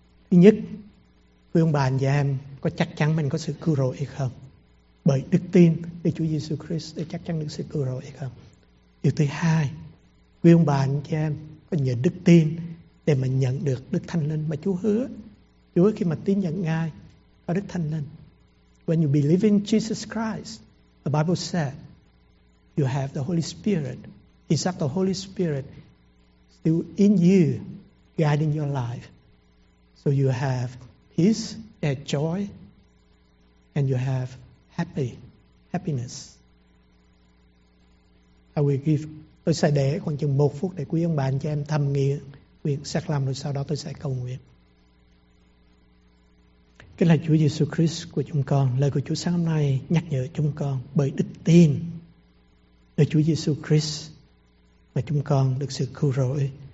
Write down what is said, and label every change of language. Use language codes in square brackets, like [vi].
[vi] Thứ nhất, quý ông bà anh chị em có chắc chắn mình có sự cứu rỗi hay không? Bởi đức tin thì Chúa Giêsu Christ để chắc chắn được sự cứu rỗi hay không? Điều thứ hai, quý ông bà anh chị em có nhờ đức tin để mà nhận được Đức Thánh Linh mà Chúa hứa. Chúa khi mà tin nhận Ngài có Đức Thánh Linh. [en] When you believe in Jesus Christ, the Bible said, you have the Holy Spirit. It's that the Holy Spirit still in you, guiding your life. So you have His joy, and you have happiness. I will give. [vi] Tôi sẽ để khoảng chừng một phút để quý ông bà anh cho em thầm nghĩ, nguyện xác lâm, rồi sau đó tôi sẽ cầu nguyện. Cái lời Chúa Giêsu Christ của chúng con, lời của Chúa sáng hôm nay nhắc nhở chúng con bởi đức tin ở Chúa Giêsu Christ mà chúng con được sự cứu rỗi.